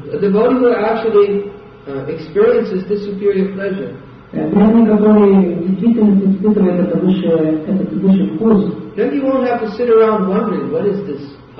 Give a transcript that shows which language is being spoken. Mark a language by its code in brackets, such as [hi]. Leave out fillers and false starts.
[en] A devotee who actually experiences this superior pleasure. [ru] Преданный, который действительно испытывает этот высший вкус. [en] Then he won't have to sit around wondering what is this.